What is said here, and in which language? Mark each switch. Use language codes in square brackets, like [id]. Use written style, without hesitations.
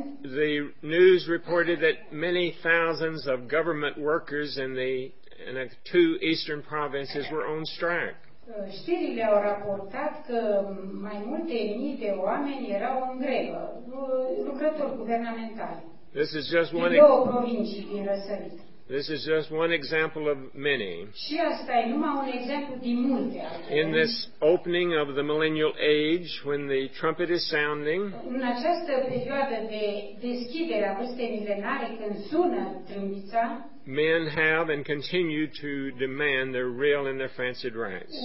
[en] The news reported that many thousands of government workers in the two eastern provinces were on strike. [ro] Știrile au raportat că mai multe mii de oameni erau în grevă, lucrători guvernamentali. [en] This is just one [ro] din două provincii din răsărit. [en] This is just one example of many. [ro] Și asta e numai un exemplu din multe. [en] In this opening of the millennial age, when the trumpet is sounding, [ro] în această perioadă de deschidere a vârstei milenare, când sună trâmbița, [en] men have and continue to demand their real and their fancied rights.